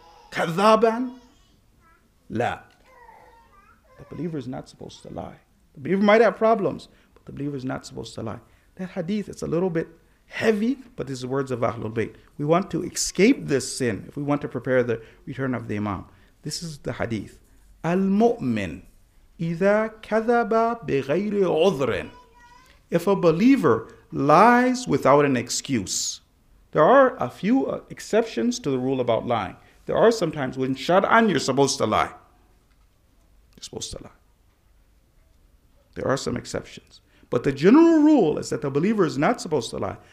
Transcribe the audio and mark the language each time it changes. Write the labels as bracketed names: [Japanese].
[Arabic] كَذَّابًا. لَا. [English] The believer is not supposed to lie. The believer might have problems, but the believer is not supposed to lie. That hadith, it's a little bit heavy, but this is words of Ahlul Bayt. We want to escape this sin if we want to prepare the return of the Imam. This is the hadith. [Arabic] Al-mu'min, إِذَا كَذَبَ بِغَيْرِ عُذْرٍ. [English] If a believer lies without an excuse, there are a few exceptions to the rule about lying. There are sometimes when Shadan, you're supposed to lie. You're supposed to lie. There are some exceptions. But the general rule is that the believer is not supposed to lie.